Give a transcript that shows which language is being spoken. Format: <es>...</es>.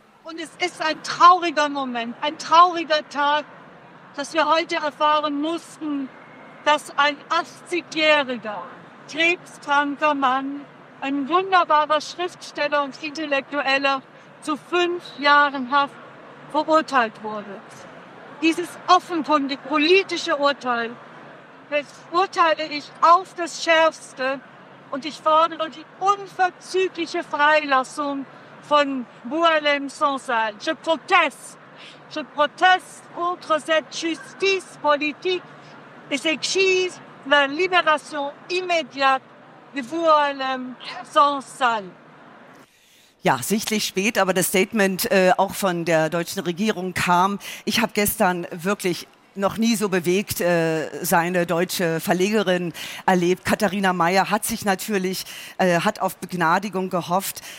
<de>Und es ist ein trauriger Moment, ein trauriger Tag, dass wir heute erfahren mussten, dass ein 80-jähriger krebskranker Mann, ein wunderbarer Schriftsteller und Intellektueller, zu 5 Jahren Haft verurteilt wurde. Dieses offenkundig politische Urteil verurteile ich auf das Schärfste und ich fordere die unverzügliche Freilassung von Boualem Sansal.</de> <fr>Je proteste contre cette justice politique et exige la libération immédiate de Boualem Sansal.</fr> <de>Ja, sichtlich spät, aber das Statement auch von der deutschen Regierung kam. Ich habe gestern wirklich noch nie so bewegt seine deutsche Verlegerin erlebt. Katharina Meyer hat sich natürlich, hat auf Begnadigung gehofft.</de>